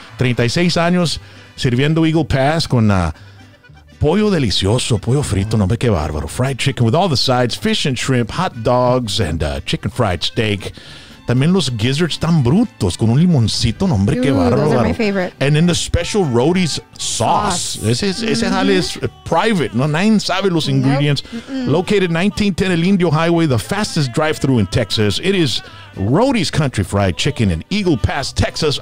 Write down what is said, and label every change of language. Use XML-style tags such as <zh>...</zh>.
<es>36 años sirviendo Eagle Pass con pollo delicioso, pollo frito, no me que bárbaro.</es> <en>Fried chicken with all the sides, fish and shrimp, hot dogs, and chicken fried steak.</en> <es>También los gizzards tan brutos con un limoncito. No, hombre, qué bárbaro.</es> <en>Those are my favorite. And then the special Rody's sauce.</en> <es>Ese jale es private. No, nadie sabe los ingredients.</es> <en>Nope. Located 1910 El Indio Highway, the fastest drive-thru in Texas. It is Rody's Country Fried Chicken in Eagle Pass, Texas.</en>